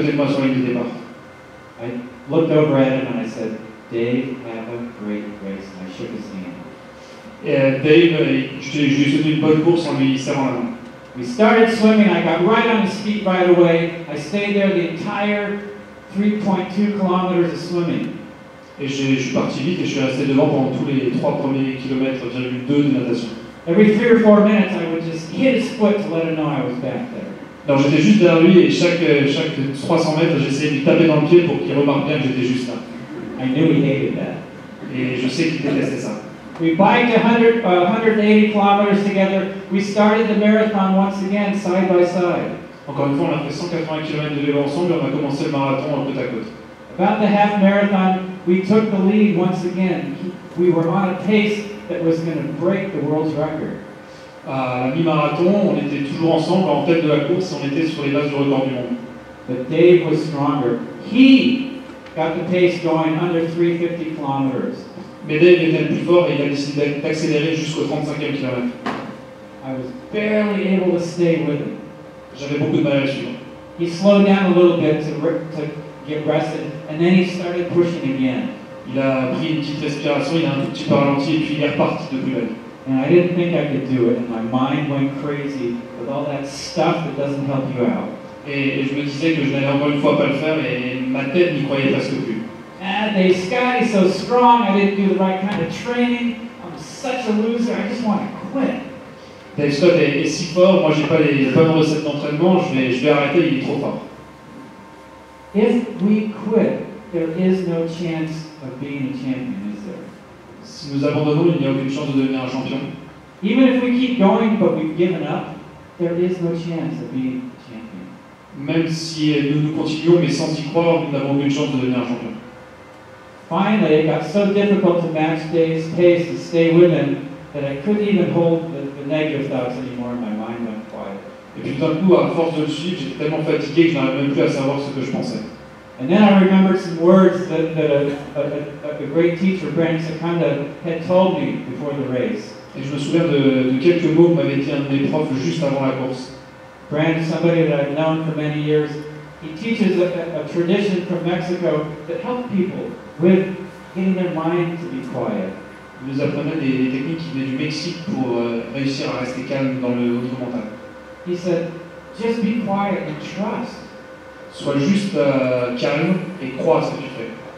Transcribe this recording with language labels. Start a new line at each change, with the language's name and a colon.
French: En 1989, Dave Scott était juste à côté de moi sur la ligne de départ.
English: I looked over at him and I said, Dave, have a great race. And I shook his hand.
French: Et Dave, je lui ai souhaité une bonne course en lui serrant la main.
English: We started swimming, I got right on his feet right away. I stayed there the entire 3.2 kilometers of swimming.
French: Et je suis parti vite et je suis resté devant pendant tous les 3 premiers kilomètres, 2 de natation.
English: Every 3 or 4 minutes, I would just hit his foot to let him know I was back there.
French: Alors j'étais juste derrière lui et chaque 300 mètres, j'essayais de lui taper dans le pied pour qu'il remarque bien que j'étais juste là.
English: I knew he hated that.
French: Et je sais qu'il détestait ça.
English: We biked 180 kilometers together. We started the marathon once again, side by side.
French: Encore une fois, on a fait 180 km de vélo ensemble et on a commencé le marathon côte à côte.
English: About the half marathon, we took the lead once again. We were on a pace that was going to break the world's record.
French: À la mi-marathon, on était toujours ensemble en tête de la course. On était sur les bases du record du monde.
English: But Dave was stronger. He got the pace going under 350 kilometers.
French: Mais Dave était plus fort et il a décidé d'accélérer jusqu'au 35e kilomètre.
English: I was barely able to stay with him.
French: J'avais beaucoup de mal à suivre.
English: He slowed down a little bit to get rested, and then he started pushing again.
French: Il a pris une petite respiration, il a un petit peu ralenti et puis il est reparti de plus belle.
English: And I didn't think I could do it, and my mind went crazy with all that stuff that doesn't help you out.
French: Et je me disais que je n'allais encore une fois pas le faire, et ma tête n'y croyait presque plus.
English: Dave Scott is so strong, I didn't do the right kind of training. I'm such a loser, I just want to quit.
French: Dave Scott est si fort, moi j'ai pas les bonnes recettes d'entraînement, je vais arrêter, il est trop fort.
English: If we quit, there is no chance of being a champion, is there?
French: Si nous abandonnons, il n'y a aucune chance de devenir un champion.
English: Even if we keep going but we've given up, there is no chance of being a champion.
French: Même si nous continuons mais sans y croire, nous n'avons aucune chance de devenir un champion.
English: Finally, it got so difficult to match Dave's pace to stay with him that I couldn't even hold the negative thoughts anymore. My mind went quiet.
French: Et puis d'un coup, à force de le suivre, j'étais tellement fatigué que je n'arrivais même plus à savoir ce que je pensais.
English: And then I remembered some words that a great teacher, Brandon Secunda, had told me before the race.
French: Et je me souviens de quelques mots que m'avait dit un de mes profs juste avant la course.
English: Brandon, somebody that I've known for many years, he teaches a tradition from Mexico that helped people with getting their mind to be quiet.
French: Il nous apprenait des techniques qui venaient du Mexique pour réussir à rester calme dans le haut du mental.
English: He said, just be quiet and trust.
French: Sois juste calme et crois à ce que tu fais.